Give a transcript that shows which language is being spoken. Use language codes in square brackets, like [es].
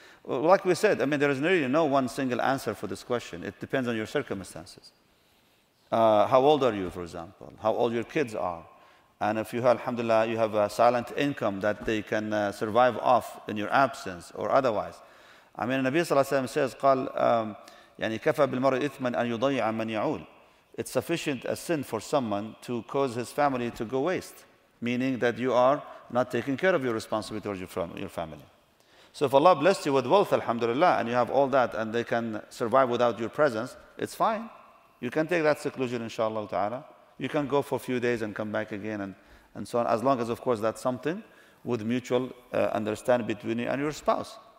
[en] Well, like we said, I mean, there is really no one single answer for this question. It depends on your circumstances. How old are you, for example? How old your kids are? And if you have, alhamdulillah, you have a silent income that they can survive off in your absence or otherwise. I mean, Nabi sallallahu alayhi wa sallam says, [ar] قال, يعني كفى بالمرء إثما أن يضيع من يعول. [en] It's sufficient a sin for someone to cause his family to go waste, meaning that you are not taking care of your responsibility towards your family. So if Allah blessed you with wealth, alhamdulillah, and you have all that and they can survive without your presence, it's fine. You can take that seclusion, inshallah ta'ala. You can go for a few days and come back again and so on, as long as, of course, that's something with mutual understanding between you and your spouse.